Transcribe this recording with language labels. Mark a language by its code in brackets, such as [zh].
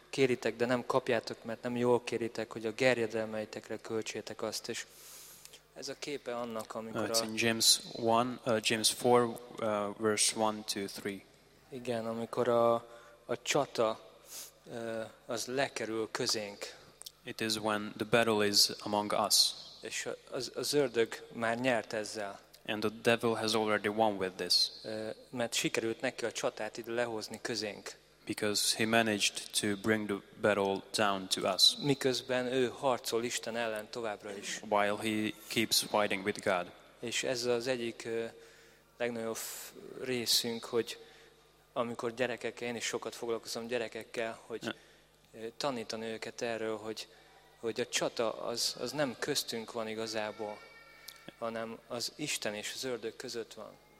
[hu] Kéritek, de nem kapjátok, mert nem jól kéritek, hogy a gerjedelmeitekre költsétek azt, és ez a képe annak, amikor [en] it's in James 1, James 4, verse 1 to 3. [hu] Igen, amikor a csata az lekerül közénk. [en] It is when the battle is among us. [hu] És az ördög már nyert ezzel. [en] And the devil has already won with this. [hu] Mert sikerült neki a csatát ide lehozni közénk. [en] Because he managed to bring the battle down to us. [hu] Miközben ő harcol Isten ellen továbbra is. [en] While he keeps fighting with God. [hu] És ez az egyik legnagyobb részünk, hogy amikor gyerekekkel, én is sokat foglalkozom gyerekekkel, hogy tanítani őket erről, hogy a csata az nem köztünk van igazából, hanem az Isten és az ördög között van.